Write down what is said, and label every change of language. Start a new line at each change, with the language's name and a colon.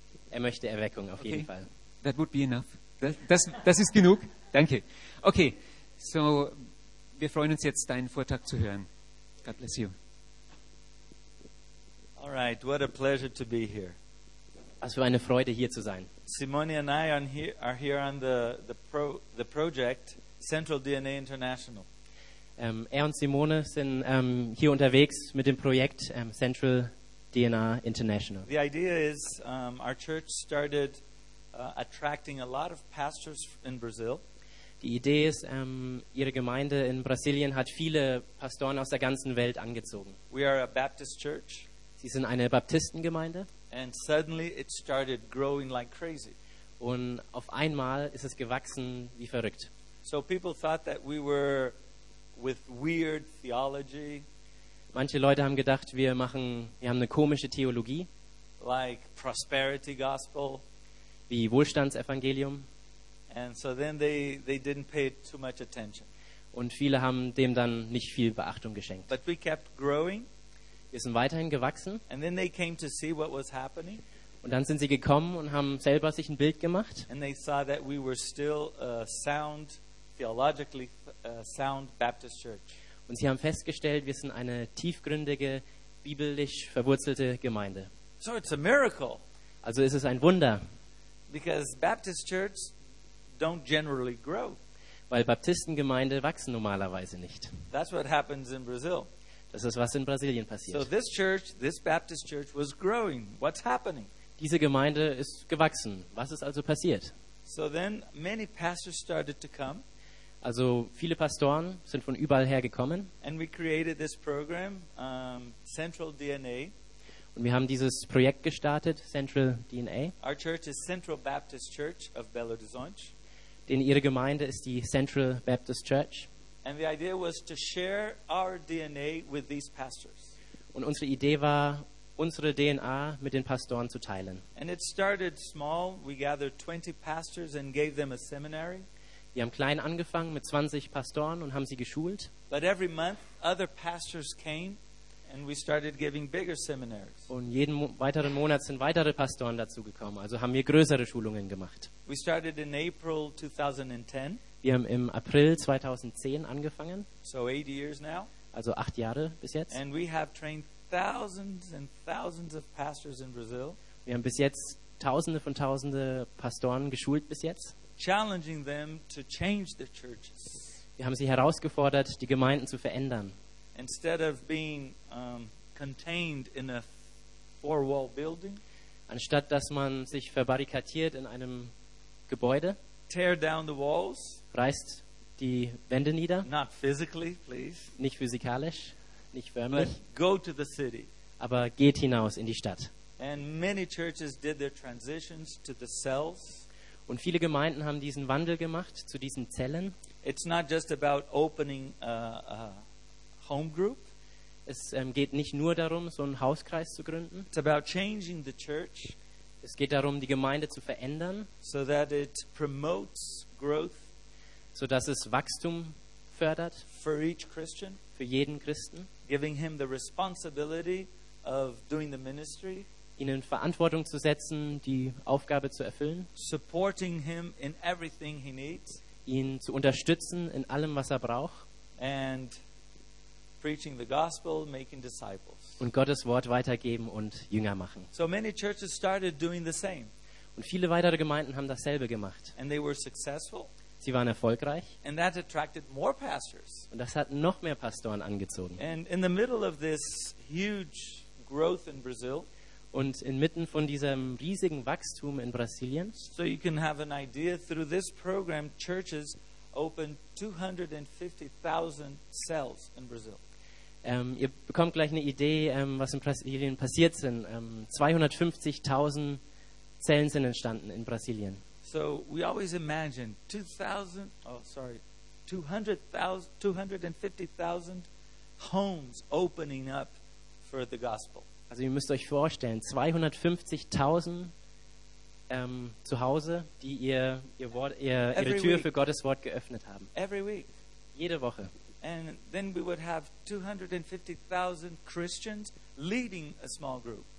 German: Er möchte Erweckung, auf okay. jeden Fall.
English: That would be enough.
German: Das ist genug. Danke. Okay, so wir freuen uns jetzt, deinen Vortrag zu hören.
English: God bless you. All right, what a pleasure to be here.
German: Was für eine Freude, hier zu sein.
English: Simone and I are here on the project Central DNA International.
German: Er und Simone sind hier unterwegs mit dem Projekt Central DNA International.
English: The idea is our church started attracting a lot of pastors in Brazil.
German: Die Idee ist, ihre Gemeinde in Brasilien hat viele Pastoren aus der ganzen Welt angezogen.
English: We are a Baptist church.
German: Sie sind eine Baptistengemeinde.
English: And suddenly it started growing like crazy.
German: Und auf einmal ist es gewachsen wie verrückt.
English: So people thought that we were with weird theology.
German: Manche Leute haben gedacht, wir haben eine komische Theologie.
English: Like prosperity gospel.
German: Wie Wohlstandsevangelium.
English: And so then they didn't pay too much attention.
German: Und viele haben dem dann nicht viel Beachtung geschenkt.
English: But we kept growing.
German: Wir sind weiterhin gewachsen.
English: And then they came to see what was happening.
German: Und dann sind sie gekommen und haben selber sich ein Bild gemacht.
English: And they saw that we were still a sound, theologically sound Baptist church.
German: Und sie haben festgestellt, wir sind eine tiefgründige, biblisch verwurzelte Gemeinde.
English: So it's a miracle.
German: Also ist es ein Wunder.
English: Because Baptist church don't generally grow.
German: Weil Baptistengemeinde wachsen normalerweise nicht.
English: That's what happens in Brazil.
German: Das ist, was in Brasilien passiert.
English: So this church, this Baptist church was growing. What's happening?
German: Diese Gemeinde ist gewachsen. Was ist also passiert?
English: So then many pastors started to come.
German: Also viele Pastoren sind von überall her gekommen.
English: And we created this program, Central DNA.
German: Und wir haben dieses Projekt gestartet, Central DNA.
English: Our church is Central Baptist Church of Belo Horizonte.
German: Denn ihre Gemeinde ist die Central Baptist Church.
English: And the idea was to share our DNA with these pastors.
German: Und unsere Idee war, unsere DNA mit den Pastoren zu teilen.
English: And it started small. We gathered 20 pastors and gave them a seminary.
German: Wir haben klein angefangen mit 20 Pastoren und haben sie geschult.
English: But every month other pastors came and we started giving bigger seminaries.
German: Und jeden weiteren Monat sind weitere Pastoren dazu gekommen, also haben wir größere Schulungen gemacht.
English: We started in April 2010.
German: Wir haben im April 2010 angefangen,
English: so 8 years now.
German: Also 8 Jahre bis jetzt.
English: And we have trained thousands and thousands of pastors in Brazil.
German: Wir haben bis jetzt Tausende von Tausende Pastoren geschult bis jetzt.
English: Challenging them to change the churches.
German: Wir haben sie herausgefordert, die Gemeinden zu verändern.
English: Instead of being contained in a four-wall building,
German: anstatt dass man sich verbarrikadiert in einem Gebäude,
English: tear down the walls.
German: Reißt die Wände nieder.
English: Not physically, please.
German: Nicht physikalisch, nicht förmlich.
English: But go to the city.
German: Aber geht hinaus in die Stadt.
English: And many churches did their transitions to the cells.
German: Und viele Gemeinden haben diesen Wandel gemacht zu diesen Zellen.
English: It's not just about opening a home group.
German: Es geht nicht nur darum, so einen Hauskreis zu gründen.
English: It's about changing the church.
German: Es geht darum, die Gemeinde zu verändern,
English: so that it promotes growth.
German: Sodass es Wachstum fördert
English: for each Christian,
German: für jeden Christen.
English: giving him the responsibility of doing the ministry,
German: ihnen Verantwortung zu setzen, die Aufgabe zu erfüllen,
English: supporting him in everything he needs,
German: ihn zu unterstützen in allem, was er braucht,
English: and preaching the gospel, making disciples,
German: und Gottes Wort weitergeben und Jünger machen.
English: So many churches started doing the same.
German: Und viele weitere Gemeinden haben dasselbe gemacht.
English: And they were successful.
German: Sie waren erfolgreich.
English: And that attracted more pastors.
German: Und das hat noch mehr Pastoren angezogen.
English: And in the middle of this huge growth in Brazil,
German: und inmitten von diesem riesigen Wachstum in Brasilien,
English: so you can have an idea, through this program, churches opened 250,000 cells in Brazil.
German: Ihr bekommt gleich eine Idee, was in Brasilien passiert sind. 250.000 Zellen sind entstanden in Brasilien.
English: So we always imagine 250,000 homes opening up for the gospel.
German: Also ihr müsst euch vorstellen, 250.000 zu Hause, die ihre Tür für Gottes Wort geöffnet haben.
English: Every week.
German: Jede Woche.
English: And then we would have 250,000 Christians leading a small group.